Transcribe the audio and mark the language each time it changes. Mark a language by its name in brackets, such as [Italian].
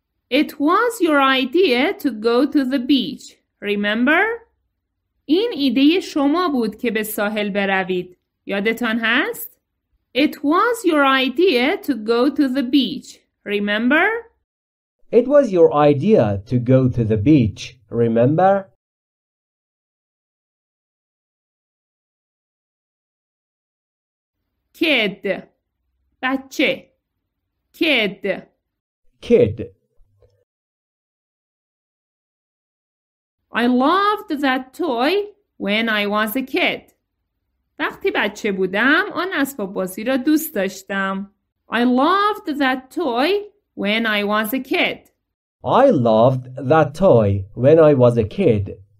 [English] It was your idea to go to the beach, remember? [Persian] این ایده شما بود که به ساحل بروید. یادتان هست؟ [English] It was your idea to go to the beach, remember? It was your idea to go to the beach, remember? Kid. [Persian] بچه. [English] Kid. Kid. I loved that toy when I was a kid. [Persian] وقتی بچه بودم آن اسباب بازی را دوست داشتم. [English] I loved that toy when I was a kid. I loved that toy when I was a kid.